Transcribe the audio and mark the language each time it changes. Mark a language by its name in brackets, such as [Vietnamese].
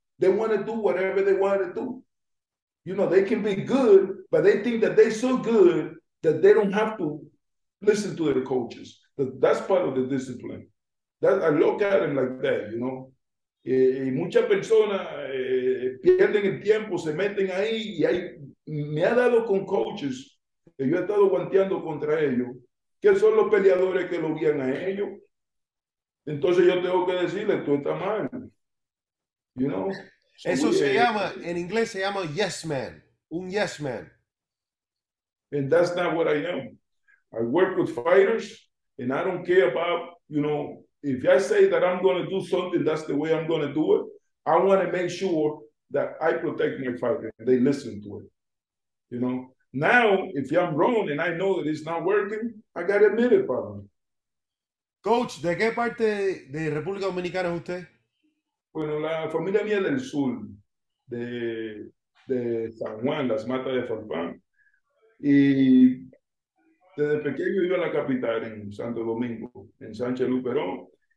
[English] They want to do whatever they want to do. You know, they can be good, but they think that they're so good that they don't have to listen to their coaches. That's part of the discipline. That, I look at it like that, you know. [Spanish] Y muchas personas pierden el tiempo, se meten ahí, y ahí me ha dado con coaches que yo he estado guanteando contra ellos, que son los peleadores que lo guían a ellos. Entonces yo tengo que decirle, tú estás mal. [English] You know? [Spanish] Eso se llama, en inglés se llama yes man, un yes man. [English] And that's not what I am. I work with fighters, and I don't care about, you know, if I say that I'm going to do something, that's the way I'm going to do it. I want to make sure that I protect my fighter and they listen to it. You know, now if I'm wrong and I know that it's not working, I got to admit it, probably. [Spanish] Coach, ¿de qué parte de República Dominicana es usted? Bueno, la familia mía del sur, de San Juan, las Matas de Farfán. Y desde pequeño iba a la capital en Santo Domingo, en Sánchez Luperón.